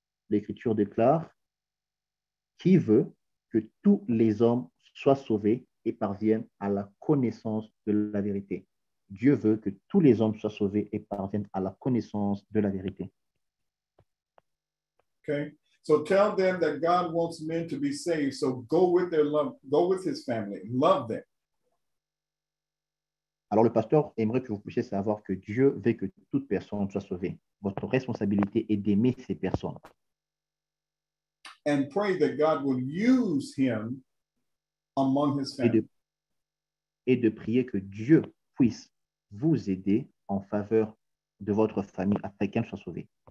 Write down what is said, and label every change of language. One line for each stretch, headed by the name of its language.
French: L'Écriture déclare, qui veut que tous les hommes soient sauvés et parviennent à la connaissance de la vérité. Dieu veut que tous les hommes soient sauvés et parviennent à la connaissance de la vérité.
English: Okay. So tell them that God wants men to be saved. So go with their love, go with his family, love them.
French: Alors le pasteur aimerait que vous puissiez savoir que Dieu veut que toute personne soit sauvée. Votre responsabilité est d'aimer ces personnes.
English: And pray that God will use him among his
French: Et
English: family.
French: de prier que Dieu puisse vous aider en faveur de votre famille afin qu'elle soit sauvée.